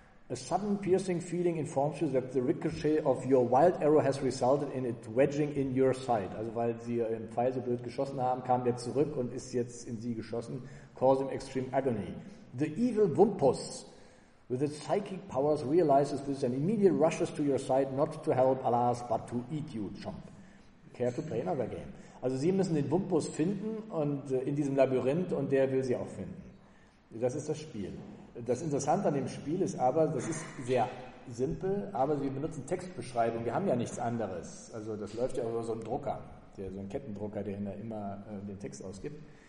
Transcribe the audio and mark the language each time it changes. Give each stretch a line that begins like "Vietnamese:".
English: A sudden piercing feeling informs you that the ricochet of your wild arrow has resulted in it wedging in your side.
German: Also weil sie im Pfeil so blöd geschossen haben, kam der zurück und ist jetzt in sie geschossen,
English: causing extreme agony. The evil Wumpus, with its psychic powers, realizes this and immediately rushes to your side, not to help, alas, but to eat you, chump. Care to play another game?
German: Also sie müssen den Wumpus finden und in diesem Labyrinth und der will sie auch finden. Das ist das Spiel. Das Interessante an dem Spiel ist aber, das ist sehr simpel, aber wir benutzen Textbeschreibungen, wir haben ja nichts anderes. Also das läuft ja über so einen Drucker, so einen Kettendrucker, der da immer den Text ausgibt.